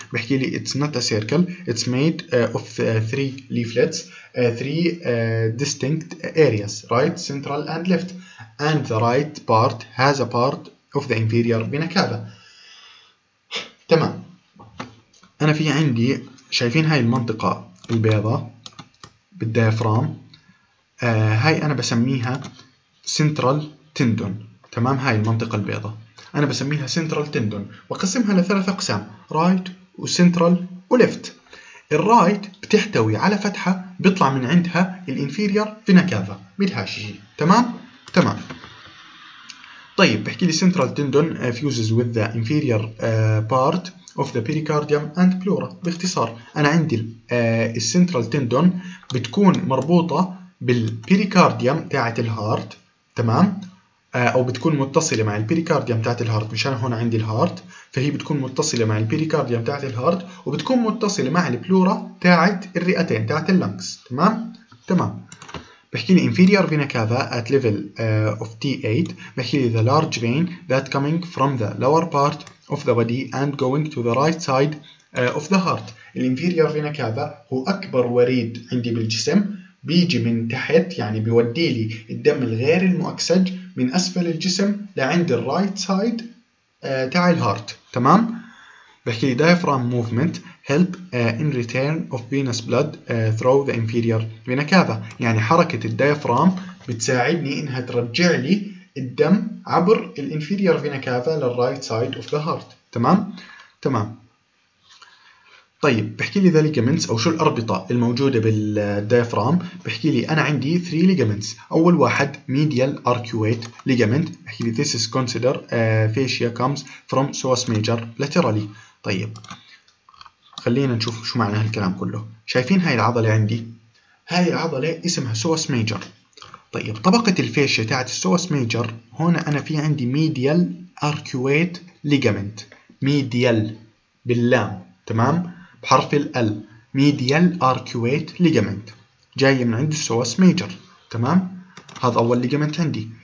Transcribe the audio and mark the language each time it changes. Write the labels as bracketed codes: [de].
[ar] بحكي لي [en] it's not a circle, it's made of three leaflets, three distinct areas, right, central and left. And the right part has a part of the inferior بنكابة. [ar] تمام. أنا في عندي شايفين هاي المنطقة البيضاء بالديافرام. هاي أنا بسميها central tendon. تمام هاي المنطقة البيضاء. أنا بسميها central tendon. وقسمها لثلاث أقسام. [en] Right وcentral وleft. [ar] الرايت بتحتوي على فتحة بيطلع من عندها الانفيرير بنكابة. بالهاشي. تمام؟ تمام. طيب بحكي لي [en] central tendon fuses with the inferior part of the pericardium and pleura. [ar] باختصار أنا عندي central tendon بتكون مربوطة بالpericardium تاعت الهارت، تمام؟ أو بتكون متصلة مع البيريكارديوم تاعت الهارت، مشان هون عندي الهارت، فهي بتكون متصلة مع البيريكارديوم تاعت الهارت وبتكون متصلة مع البلورا تاعت الرئتين تاعت اللنكس، تمام؟ تمام. بحكي لي [en] inferior vena cava at level of T8. [ar] بحكي لي [en] the large vein that coming from the lower part of the body and going to the right side of the heart. [ar] الinferior vena cava هو أكبر وريد عندي بالجسم، بيجي من تحت يعني بيودي لي الدم الغير المؤكسج من أسفل الجسم لعند الرايت سايد تاع الهارت، تمام؟ بحكي لي [en] diaphragm movement help in return of venous blood through the inferior vena cava. [ar] يعني حركة الديافرام بتساعدني إنها ترجع لي الدم عبر الانفيريور فينا كافا للرايت سايد اوف ذا هارت، تمام؟ تمام. طيب بحكي لي ذا ليجمنتس او شو الاربطه الموجوده بالديافرام. بحكي لي انا عندي 3 ليجمنتس. اول واحد ميديال اركويت ليجمنت، بحكي لي [en] this is consider fascia comes from psoas major laterally. [ar] طيب خلينا نشوف شو معنى هالكلام كله. شايفين هاي العضله عندي، هاي العضله اسمها psoas major. طيب طبقه الفاشيا تاعت psoas major هون انا في عندي ميديال اركويت ليجمنت، ميديال باللام، تمام؟ بحرف ال ميديال اركويت ليجمنت جاي من عند السواس ميجر، تمام؟ هذا اول ليجمنت عندي.